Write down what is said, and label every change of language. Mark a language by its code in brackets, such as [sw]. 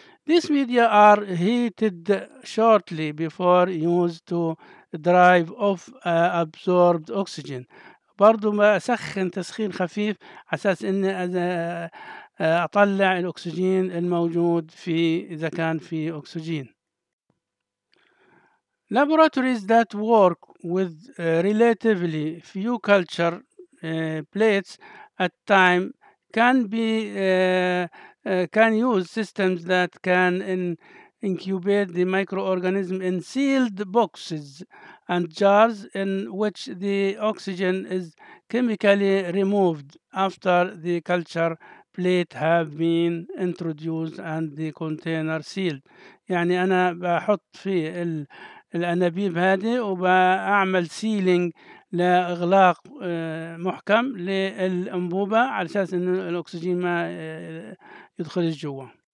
[en] These media are heated shortly before used to drive off absorbed oxygen. [ar] برضو ما أسخن تسخين خفيف على أساس إني أطلع الأكسجين الموجود في إذا كان في أكسجين. [en] Laboratories that work with relatively few culture plates at time can use systems that can incubate the microorganism in sealed boxes and jars in which the oxygen is chemically removed after the culture plate have been introduced and the container sealed. [ar] يعني أنا بحط في الأنابيب هذه وبعمل سيلينج لإغلاق محكم للأنبوبة على أساس إنه الأكسجين ما يدخل الجوة.